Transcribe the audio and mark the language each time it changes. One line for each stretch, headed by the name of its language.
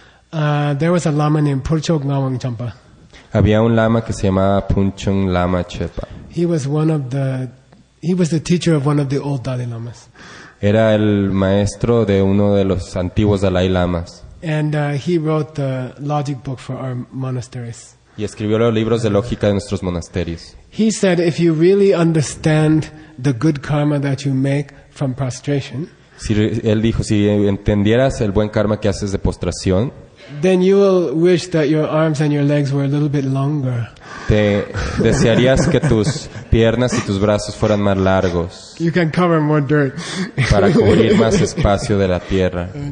English: There was a lama named Purchok Ngawang Champa.
Spanish: Había un lama que se llamaba Punchung Lama Chepa.
English: He was the teacher of one of the old Dalai Lamas.
Spanish: Era el maestro de uno de los antiguos Dalai Lamas.
English: And he wrote the logic book for our monasteries.
Spanish: Y escribió los libros de lógica de nuestros monasterios.
English: He said, if you really understand the good karma that you make from prostration.
Spanish: Si, él dijo, si entendieras el buen karma que haces de postración,
English: then you will wish that your arms and your legs were a little bit longer.
Spanish: Te desearías que tus piernas y tus brazos fueran más largos.
English: You can cover more dirt.
Spanish: Para cubrir más espacio de la tierra.